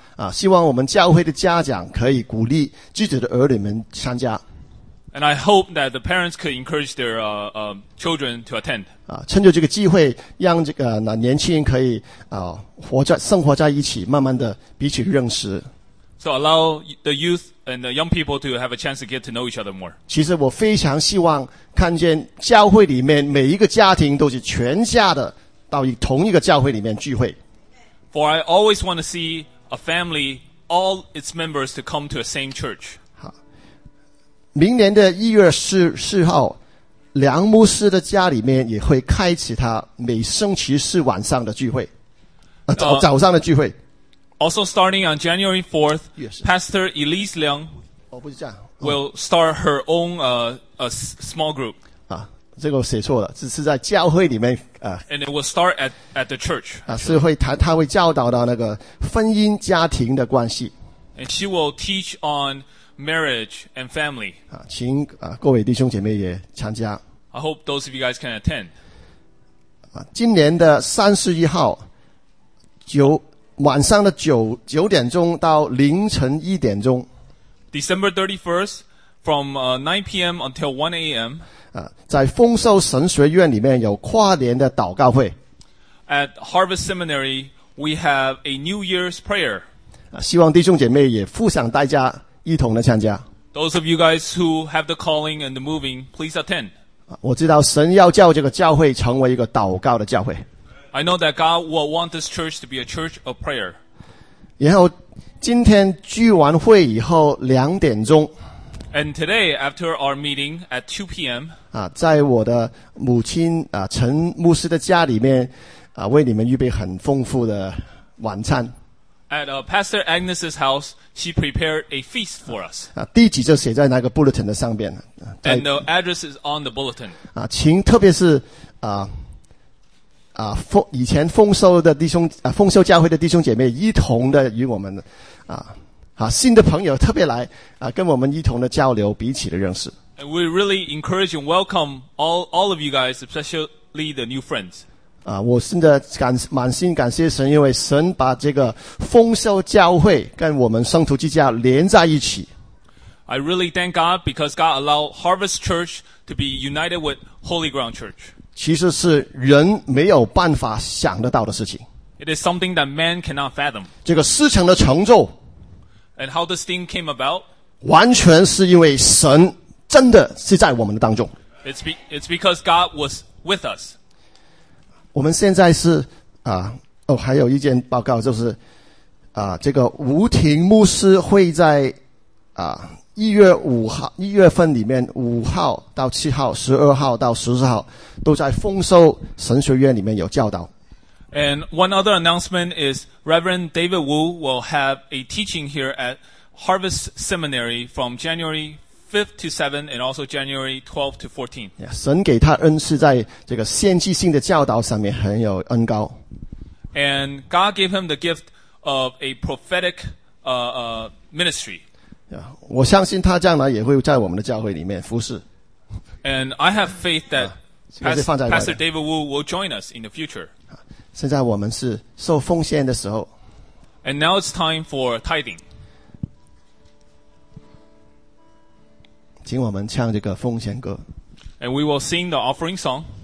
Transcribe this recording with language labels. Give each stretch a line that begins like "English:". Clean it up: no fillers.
Chinese: 啊，希望我们教会的家长可以鼓励自己的儿女们参加。
English: And I hope that the parents could encourage their children to attend.
Chinese: 啊，趁着这个机会，让这个那年轻人可以啊活在生活在一起，慢慢的彼此认识。
English: So allow the youth and the young people to have a chance to get to know each other more.
Chinese: 其实我非常希望看见教会里面每一个家庭都是全家的到同一个教会里面聚会。
English: For I always want to see a family, all its members to come to the same church.
Chinese: 明年的1月4号，梁牧师的家里面也会开启他每星期四晚上的聚会，早上的聚会。
English: Also starting on January 4th, Pastor Elise Liang will start her own small group.
Chinese: 啊，这个我写错了，是在教会里面啊。
English: And it will start at the church.
Chinese: 啊，是会谈，他会教导到那个婚姻家庭的关系。
English: And she will teach on marriage and family.
Chinese: 啊，请啊各位弟兄姐妹也参加。
English: I hope those of you guys can attend.
Chinese: 啊，今年的31号晚上的九点钟到凌晨一点钟
English: ，December 31st from 9 p.m. until 1 a.m.
Chinese: 在丰收神学院里面有跨年的祷告会。
English: At Harvest Seminary, we have a New Year's prayer.
Chinese: 希望弟兄姐妹也付上代价，一同的参加。
English: Those of you guys who have the calling and the moving, please attend.
Chinese: 我知道神要叫这个教会成为一个祷告的教会。
English: I know that God will want this church to be a church of prayer.
Chinese: 然后今天聚完会以后两点钟
English: And today, after our meeting at 2 p.m.
Chinese: 在我的母亲陈牧师的家里面为你们预备很丰富的晚餐
English: At Pastor Agnes's house, she prepared a feast for us.
Chinese: 地址就写在那个 bulletin 的上面
English: And the address is on the bulletin.
Chinese: 请特别是以前丰收的弟兄丰收教会的弟兄姐妹一同的与我们新的朋友特别来跟我们一同的交流彼此的认识。
English: And we really encourage and welcome all of you guys, especially the new friends.
Chinese: 我真的满心感谢神，因为神把这个丰收教会跟我们圣徒之家连在一起。
English: I really thank God because God allowed Harvest Church to be united with Holy Ground Church.
Chinese: 其实是人没有办法想得到的事情。
English: It is something that man cannot fathom.
Chinese: 这个事情的成就
English: ，And how this thing came about?
Chinese: 完全是因为神真的是在我们的当中。
English: It's because God was with us.
Chinese: 我们现在是还有一件报告就是这个吴廷牧师会在一月份里面五号到七号十二号到十四号都在丰收神学院里面有教导。
English: And one other announcement is Reverend David Wu will have a teaching here at Harvest Seminary from January 5th to 7th and also January 12th to 14th.
Chinese: 神给他恩赐在这个先知性的教导上面很有恩高。
English: And God gave him the gift of a prophetic ministry.
Chinese: 我相信他将来也会在我们的教会里面服事。
English: And I have faith that Pastor David Wu will join us in the future.
Chinese: 现在我们是受奉献的时候。
English: And now it's time for tithing.
Chinese: 请我们唱这个奉献歌。
English: And we will sing the offering song.